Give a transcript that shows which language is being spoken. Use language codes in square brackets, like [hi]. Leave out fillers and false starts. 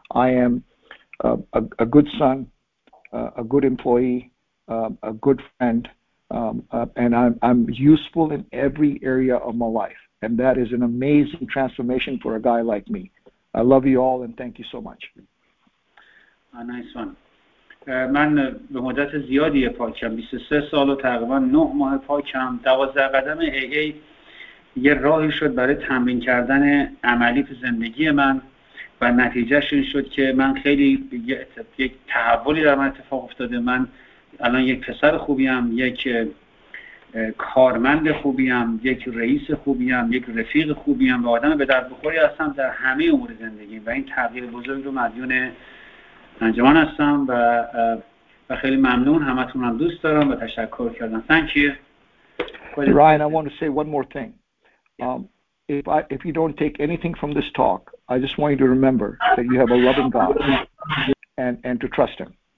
[en] I am a good son, a good employee, a good friend, and I'm useful in every area of my life. And that is an amazing transformation for a guy like me. I love you all and thank you so much. A nice one. [fa] من به مدت زیادی پاکم، 23 سال و تقریبا 9 ماه پاکم. 12 قدم AA یه راهی شد برای تمرین کردن عملی تو زندگی من و نتیجهش این شد که من خیلی یک تحولی در من اتفاق افتاده. من الان یک پسر خوبیم، یک کارمند خوبیم، یک رئیس خوبیم، یک رفیق خوبیم و آدم به درد بخوری هستم در همه امور زندگی و این تغییر بزرگ رو مدیون انجمن هستم و و خیلی ممنون همتون هم دوست دارم و تشکر کردم. [en] Thank you. Ryan, I want to say one more thing. If you don't take anything from this talk, I just want you to remember that you have a loving God and to trust him.